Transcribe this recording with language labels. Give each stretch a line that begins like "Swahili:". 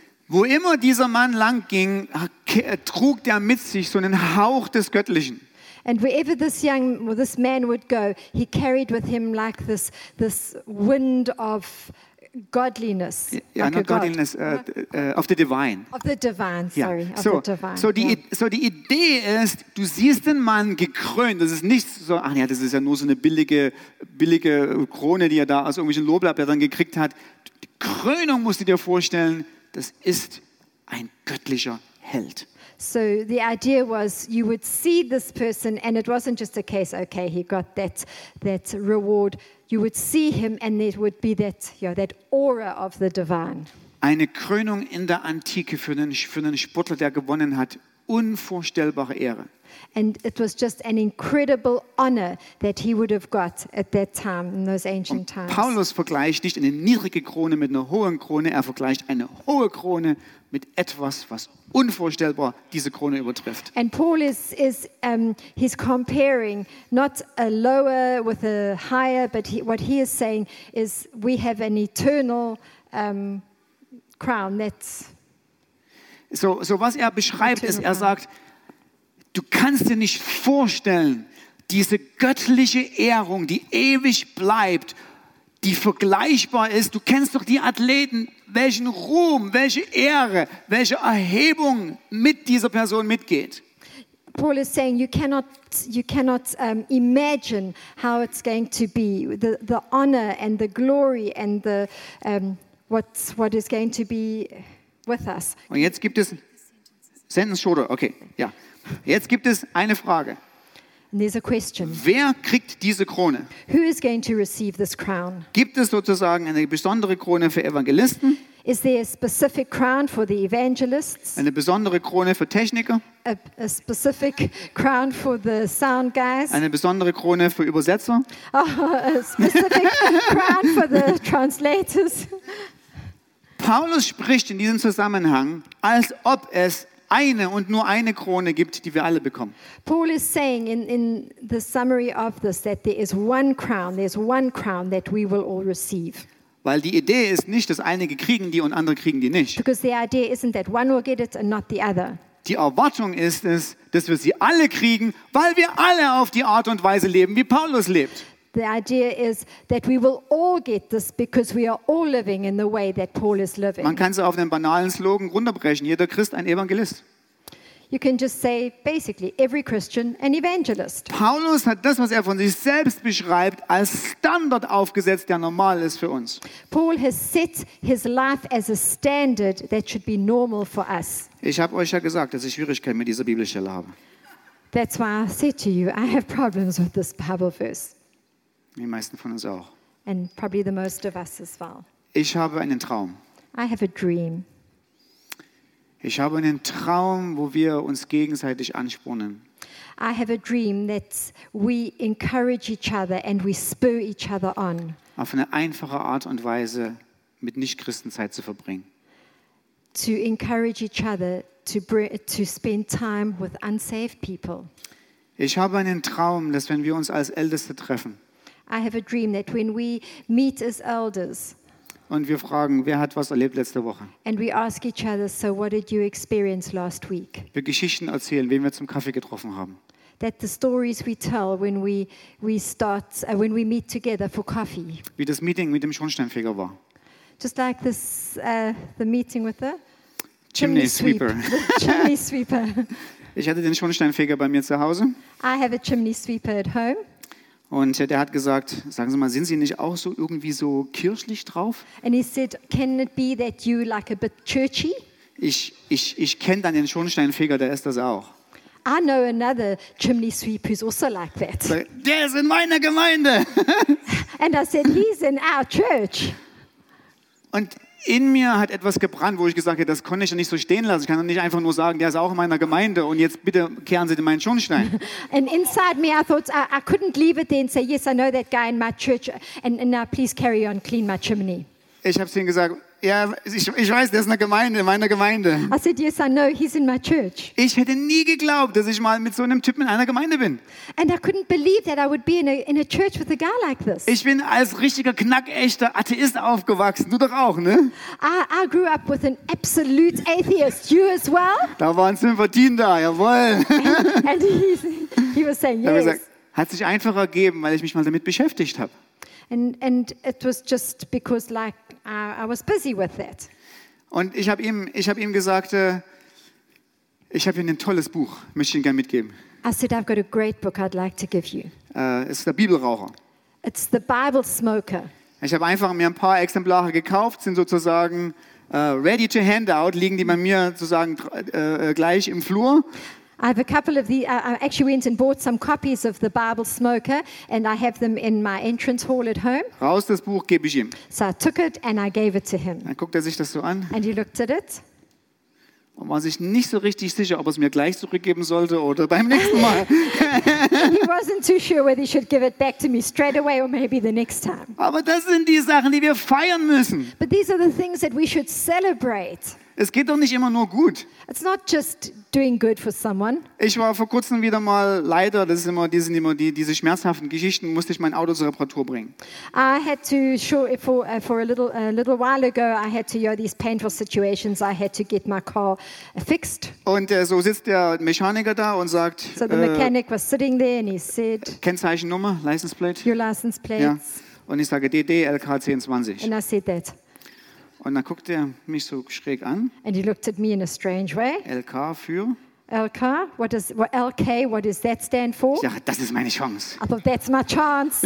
German: Wo immer dieser Mann lang ging, trug der mit sich so einen Hauch des Göttlichen.
English: And wherever this man would go, he carried with him like this wind of godliness.
German: Ja,
English: like not godliness, of the divine. Of the divine, sorry. Ja. So, of the divine.
German: So die Idee ist, du siehst den Mann gekrönt. Das ist nicht so, ach ja, das ist ja nur so eine billige Krone, die er da aus irgendwelchen Lorbeerblättern gekriegt hat. Die Krönung musst du dir vorstellen, das ist ein göttlicher Held.
English: So the idea was, you would see this person and it wasn't just a case, okay, he got that reward. You would see him and there would be that, you know, that aura of the divine.
German: Eine Krönung in der Antike für einen Sportler, der gewonnen hat, unvorstellbare Ehre.
English: And it was just an incredible honor that he would have got at that time, in those ancient times.
German: Und Paulus vergleicht nicht eine niedrige Krone mit einer hohen Krone, er vergleicht eine hohe Krone mit etwas, was unvorstellbar diese Krone übertrifft.
English: And Paul is comparing not a lower with a higher, but what he is saying is we have an eternal crown that's...
German: So was er beschreibt, ist, er sagt, du kannst dir nicht vorstellen, diese göttliche Ehrung, die ewig bleibt, die vergleichbar ist. Du kennst doch die Athleten, welchen Ruhm, welche Ehre, welche Erhebung mit dieser Person mitgeht.
English: Paul is saying you cannot imagine how it's going to be, the honor and the glory and the what is going to be with us.
German: Und jetzt gibt es
English: Sentence shorter. Okay,
German: ja. Jetzt gibt es eine Frage.
English: And there's a question.
German: Wer kriegt diese Krone?
English: Who is going to receive this crown?
German: Gibt es sozusagen eine besondere Krone für Evangelisten?
English: Is there a specific crown for the evangelists?
German: Eine besondere Krone für Techniker?
English: A specific crown for the sound guys?
German: Eine besondere Krone für Übersetzer?
English: Oh, a specific crown for the translators?
German: Paulus spricht in diesem Zusammenhang, als ob es eine und nur eine Krone gibt, die wir alle bekommen.
English: Paul is saying in the summary of this that there's one crown that we will all receive.
German: Weil die Idee ist nicht, dass einige kriegen die und andere kriegen die nicht.
English: Because the idea isn't that one will get it and not the other.
German: Die Erwartung ist es, dass wir sie alle kriegen, weil wir alle auf die Art und Weise leben, wie Paulus lebt.
English: The idea is that we will all get this because we are all living in the way that Paul is living.
German: Man kann es auf einen banalen Slogan runterbrechen: Jeder Christ ein Evangelist.
English: You can just say basically every Christian an evangelist.
German: Paulus hat das, was er von sich selbst beschreibt, als Standard aufgesetzt, der normal ist für uns.
English: Paul has set his life as a standard that should be normal for us.
German: Ich habe euch ja gesagt, dass ich Schwierigkeiten mit dieser Bibelstelle habe.
English: That's why I said to you, I have problems with this Bible verse.
German: Die meisten von uns auch.
English: And probably the most of us as well.
German: Ich habe einen Traum.
English: I have a dream.
German: Ich habe einen Traum, wo wir uns gegenseitig anspornen.
English: I have a dream that we encourage each other and we spur each other on.
German: Auf eine einfache Art und Weise mit Nichtchristen Zeit zu verbringen.
English: To encourage each other to spend time with unsaved people.
German: Ich habe einen Traum, dass wenn wir uns als Älteste treffen,
English: I have a dream that when we meet as elders,
German: und wir fragen, wer hat was erlebt letzte Woche?
English: And we ask each other, so what did you experience last week?
German: Wir Geschichten erzählen, wen wir zum Kaffee getroffen haben.
English: That the stories we tell when when we meet together for coffee.
German: Wie das Meeting mit dem Schornsteinfeger war.
English: Just like this, the meeting with the chimney sweeper. Chimney sweeper.
German: Ich hatte den Schornsteinfeger bei mir zu Hause.
English: I have a chimney sweeper at home.
German: Und der hat gesagt, sagen Sie mal, sind Sie nicht auch so irgendwie so kirchlich drauf?
English: And he said, can it be that you like a bit churchy?
German: Ich kenne dann den Schornsteinfeger, der ist das auch.
English: I know another chimney sweep who's also like that.
German: So, der ist in meiner Gemeinde.
English: And I said, he's in our church.
German: Und in mir hat etwas gebrannt, wo ich gesagt habe, das konnte ich ja nicht so stehen lassen. Ich kann doch nicht einfach nur sagen, der ist auch in meiner Gemeinde und jetzt bitte kehren Sie in meinen Schornstein.
English: And inside me I thought, I couldn't leave it there and say, yes, I know that guy in my church and now please carry on, clean my chimney.
German: Ich habe zu ihm gesagt, ja, ich weiß, der ist in meiner Gemeinde.
English: I said, yes, I know, he's in my church.
German: Ich hätte nie geglaubt, dass ich mal mit so einem Typen in einer Gemeinde bin.
English: And I couldn't believe that I would be in a church with a guy like this.
German: Ich bin als richtiger, knackechter Atheist aufgewachsen. Du doch auch, ne?
English: I grew up with an absolute atheist. You as well?
German: Da waren Sympathien da, jawohl.
English: And he was saying, yes.
German: Gesagt, hat sich einfach ergeben, weil ich mich mal damit beschäftigt habe.
English: And it was just because like I was busy with that.
German: Und ich habe ihm gesagt, ich habe Ihnen ein tolles Buch, möchte ich Ihnen gerne mitgeben.
English: I said I've got a great book I'd like to give you.
German: Es ist der Bibelraucher.
English: It's the Bible Smoker.
German: Ich habe einfach mir ein paar Exemplare gekauft, sind sozusagen
English: ready to hand out,
German: liegen die bei mir sozusagen gleich im Flur.
English: I have a couple of the. I actually went and bought some copies of the Bible Smoker, and I have them in my entrance hall at home.
German: Raus das Buch, gebe ich ihm.
English: So I took it and I gave it to him.
German: Dann guckt er sich das so an.
English: And he looked at it.
German: Und war sich nicht so richtig sicher, ob er es mir gleich zurückgeben sollte oder beim nächsten Mal.
English: He wasn't too sure whether he should give it back to me straight away or maybe the next time.
German: Aber das sind die Sachen, die wir feiern müssen.
English: But these are the things that we should celebrate.
German: Es geht doch nicht immer nur gut.
English: It's not just doing good for someone.
German: Ich war vor kurzem wieder mal leider, das ist immer, die sind immer die, diese schmerzhaften Geschichten, musste ich mein Auto zur Reparatur bringen.
English: I had to for a little while ago I had to these painful situations I had to get my car fixed.
German: Und so sitzt der Mechaniker da und sagt,
English: so the mechanic was sitting there and he said,
German: Kennzeichennummer,
English: license plate. Your license plate.
German: Ja. Und ich sage DD-LK-1020.
English: And I said that.
German: Und dann guckt er mich so schräg an.
English: And he looked at me in a strange way.
German: LK für?
English: LK, what does LK, what does that stand for?
German: Ja, das ist meine Chance.
English: I thought, that's my chance.